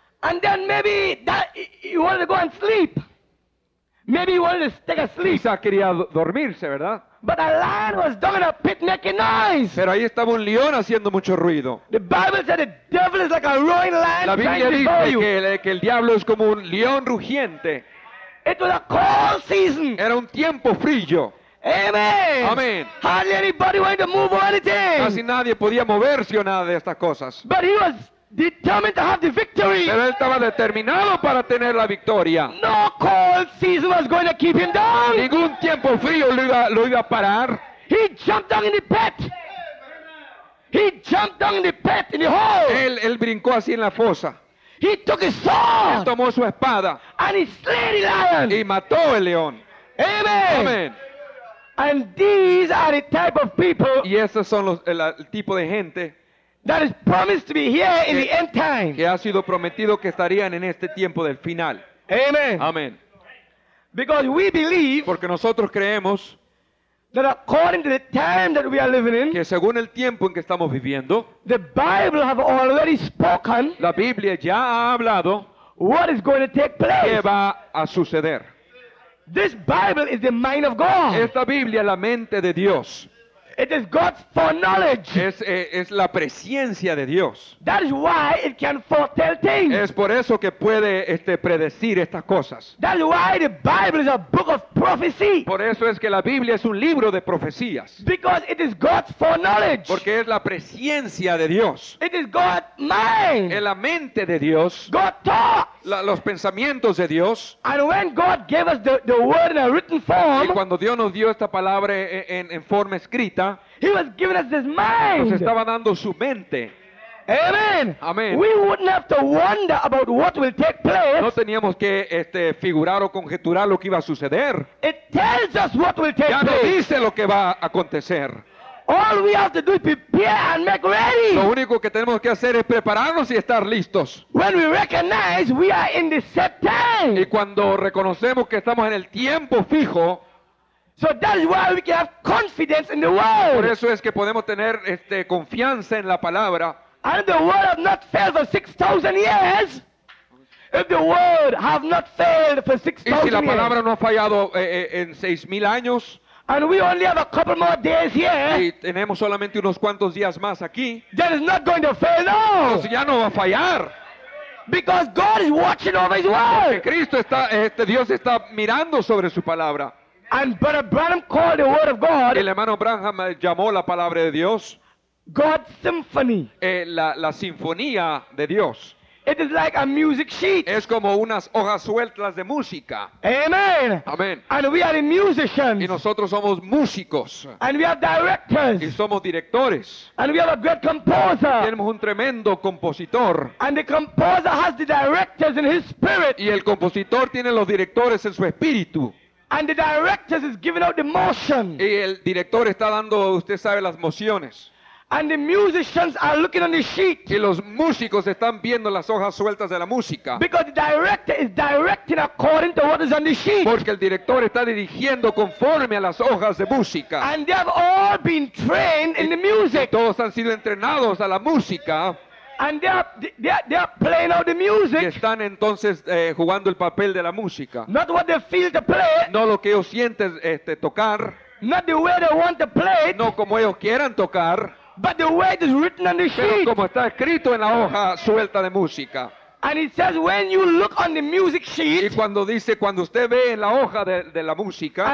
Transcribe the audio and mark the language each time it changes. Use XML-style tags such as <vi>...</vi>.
<en>And then maybe that he wanted to go and sleep. Maybe he wanted to take a sleep.</en> <es>Quizá quería dormirse, ¿verdad?</es> <en>But a lion was dumb in a pit making noise.</en> <es>Pero ahí estaba un león haciendo mucho ruido.</es> <en>The Bible said the devil is like a roaring lion.</en> <es>La Biblia dice que el diablo es como un león rugiente.</es> <en>It was a cold season.</en> <es>Era un tiempo frío.</es> <en>Amen.</en> <es>Amen.</es> <en>Hardly anybody wanted to move or anything.</en> <es>Casi nadie podía moverse o nada de estas cosas.</es> <en>But he was determined to have the victory.</en> <es>Pero él estaba determinado para tener la victoria.</es> <en>No cold season was going to keep him down.</en> <es>Ningún tiempo frío lo iba a parar.</es> <en>He jumped down in the pit. He jumped down in the pit in the hole.</en> <es>Él brincó así en la fosa.</es> <en>He took his sword.</en> <es>Él tomó su espada.</es> <en>And he slayed the lion.</en> <es>Y mató el león.</es> <en>Amen.</en> <es>Amen.</es> <en>And these are the type of people.</en> <es>Y esos son el tipo de gente.</es> <en>That is promised to be here in the end time.</en> <es>Que ha sido prometido que estarían en este tiempo del final.</es> <en>Amen.</en> <es>Amen.</es> <en>Because we believe.</en> <es>Porque nosotros creemos.</es> <en>That according to the time that we are living in,</en> <es>que según el tiempo en que estamos viviendo,</es> <en>the Bible have already spoken.</en> <es>La Biblia ya ha hablado.</es> <en>What is going to take place?</en> <es>¿Qué va a suceder?</es> <en>This Bible is the mind of God.</en> <es>Esta Biblia es la mente de Dios.</es> <en>It is God's foreknowledge.</en> <es>Es la presciencia de Dios.</es> <en>That is why it can foretell things.</en> <es>Es por eso que puede predecir estas cosas.</es> <en>That is why the Bible is a book of prophecy.</en> <es>Por eso es que la Biblia es un libro de profecías.</es> <en>Because it is God's foreknowledge.</en> <es>Porque es la presciencia de Dios.</es> <en>It is God's mind.</en> <es>Es la mente de Dios.</es> <en>God talks.</en> <es>Los pensamientos de Dios.</es> <en>And when God gave us the word in a written form.</en> <es>Y cuando Dios nos dio esta palabra en forma escrita.</es> <en>He was giving us his mind.</en> <es>Nos estaba dando su mente.</es> <en>Amen.</en> <es>Amen.</es> <en>We wouldn't have to wonder about what will take place.</en> <es>No teníamos que figurar o conjeturar lo que iba a suceder.</es> <en>It tells us what will take</en> <es>ya</es> <en>place.</en> <es>Ya nos dice lo que va a acontecer.</es> <en>All we have to do is prepare and make ready.</en> <es>Lo único que tenemos que hacer es prepararnos y estar listos.</es> <en>When we recognize we are in the set time.</en> <es>Y cuando reconocemos que estamos en el tiempo fijo.</es> <en>So that is why we can have confidence in the word.</en> <es>Por eso es que podemos tener confianza en la palabra.</es> <en>And if the word have not failed for 6,000 years. If the word have not failed for 6,000 years.</en> <es>Y si la palabra no ha fallado en 6,000 años.</es> <en>And we only have a couple more days here.</en> <es>Y tenemos solamente unos cuantos días más aquí.</es> <en>That is not going to fail, no.</en> <es>Pues ya no va a fallar.</es> <en>Because God is watching over His word.</en> <es>Porque Cristo está, Dios está mirando sobre su palabra.</es> <en>And Brother Branham called the word of God.</en> <es>El hermano Branham llamó la palabra de Dios.</es> <en>God's symphony.</en> <es>La sinfonía de Dios.</es> <en>It is like a music sheet.</en> <es>Es como unas hojas sueltas de música.</es> <en>Amen.</en> <es>Amen.</es> <en>And we are the musicians.</en> <es>Y nosotros somos músicos.</es> <en>And we are directors.</en> <es>Y somos directores.</es> <en>And we have a great composer.</en> <es>Y tenemos un tremendo compositor.</es> <en>And the composer has the directors in his spirit.</en> <es>Y el compositor tiene los directores en su espíritu.</es> <en>And the director is giving out the motion.</en> <es>Y el director está dando, usted sabe, las mociones.</es> <en>And the musicians are looking on the sheet.</en> <es>Y los músicos están viendo las hojas sueltas de la música.</es> <en>Because the director is directing according to what is on the sheet.</en> <es>Porque el director está dirigiendo conforme a las hojas de música.</es> <en>And they have all been trained in the music.</en> <es>Y todos han sido entrenados a la música.</es> <en>And they are playing out the music.</en> <es>Y están entonces jugando el papel de la música.</es> <en>Not what they feel to play.</en> <es>No lo que ellos sienten tocar.</es> <en>Not the way they want to play.</en> <es>No como ellos quieran tocar.</es> <en>But the way it is written on the sheet.</en> <es>Pero como está escrito en la hoja suelta de música.</es> <en>And it says when you look on the music sheet.</en> <es>Y cuando dice cuando usted ve en la hoja de la música.</es>